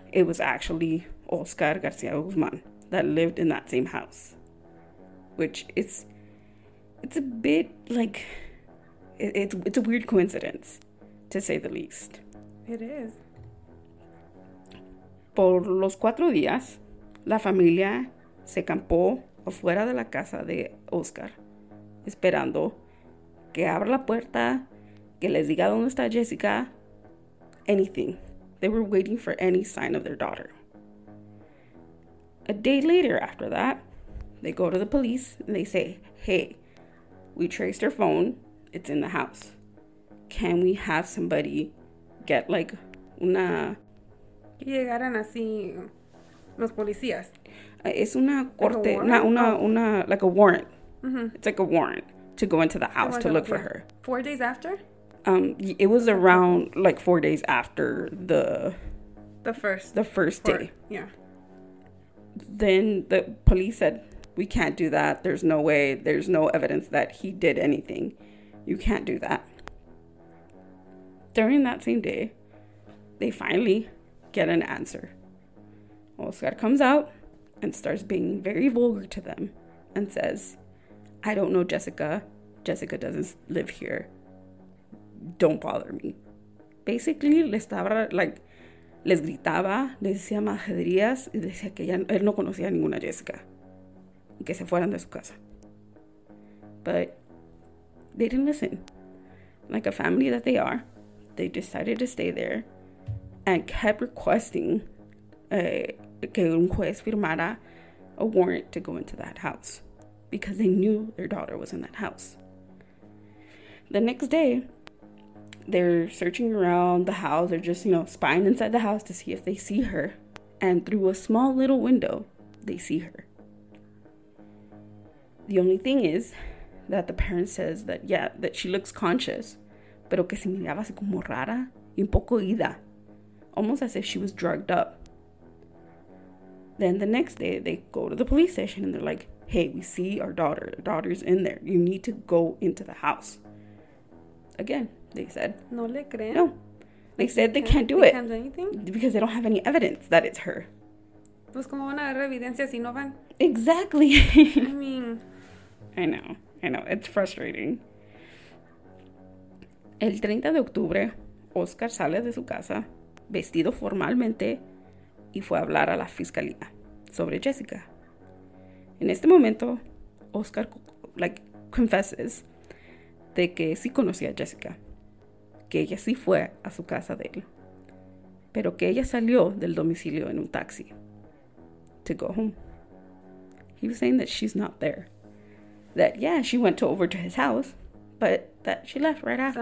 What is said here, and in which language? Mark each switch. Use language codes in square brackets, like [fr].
[en] It was actually Óscar García Guzmán that lived in that same house. Which it's a bit it's a weird coincidence, to say the least. It is. [es] Por los 4 días, la familia se campó afuera de la casa de Oscar, esperando que abra la puerta, que les diga dónde está Jessica, anything. [en] They were waiting for any sign of their daughter. A day later after that, they go to the police and they say, hey, we traced her phone. It's in the house. Can we have somebody get una... [es] Que llegaran así los policías. Es una corte, [en] like a warrant. Mm-hmm. It's like a warrant to go into the house to look for her. 4 days after? It was around 4 days after the first day. Yeah. Then the police said, we can't do that. There's no way. There's no evidence that he did anything. You can't do that. During that same day, they finally get an answer. Oscar comes out and starts being very vulgar to them and says, I don't know Jessica. Jessica doesn't live here. Don't bother me. [es] Basically, les gritaba, les decía majaderías y decía que él no conocía a ninguna Jessica y que se fueran de su casa. [en] But they didn't listen. Like a family that they are, they decided to stay there and kept requesting [es] que un juez firmara [en] a warrant to go into that house because they knew their daughter was in that house. The next day, they're searching around the house. They're just, spying inside the house to see if they see her. And through a small little window, they see her. The only thing is that the parent says that, yeah, that she looks conscious, [es] pero que se miraba así como rara y un poco ida. [en] Almost as if she was drugged up. Then the next day, they go to the police station and they're like, hey, we see our daughter. The daughter's in there. You need to go into the house. Again, they said. [es] No le creen. [en] No. They said they can't do it. They can't do anything? Because they don't have any evidence that it's her. [es] Pues como van a dar evidencia si no van. [en] Exactly. I mean. I know. It's frustrating. [es] El 30 de octubre, Oscar sale de su casa, vestido formalmente, y fue a hablar a la fiscalía sobre Jessica. En este momento, Oscar confesses de que sí conocía a Jessica, que ella sí fue a su casa de él, pero que ella salió del domicilio en un taxi [en] to go home. He was saying that she's not there. That, yeah, she went over to his house, but that she left right after.